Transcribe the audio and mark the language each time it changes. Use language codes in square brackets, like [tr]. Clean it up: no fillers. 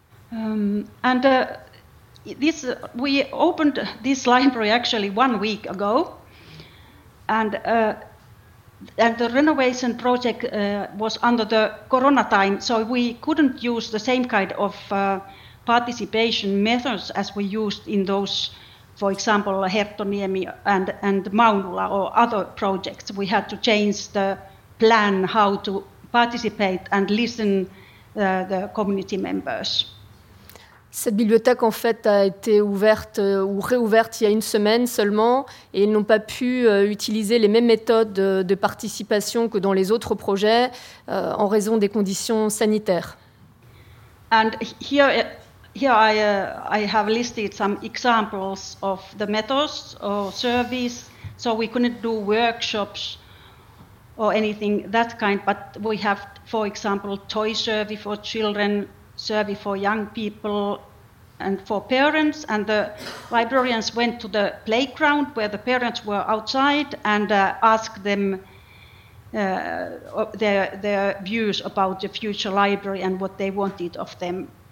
[en] We opened this library actually 1 week ago, and the renovation project was under the corona time, so we couldn't use the same kind of participation methods as we used in those, for example, Herttoniemi and Maunula or other projects. We had to change the plan how to participate and listen the community members. [fr] Cette bibliothèque, en fait, a été ouverte ou réouverte il y a une semaine seulement, et ils n'ont pas pu utiliser les mêmes méthodes de participation que dans les autres projets en raison des conditions sanitaires. [en] And here I have listed some examples of the methods or surveys, so we couldn't do workshops or anything that kind, but we have, for example, toy survey for children, survey for young people and for parents, and the librarians went to the playground where the parents were outside and asked them their views about the future library and what they wanted of them.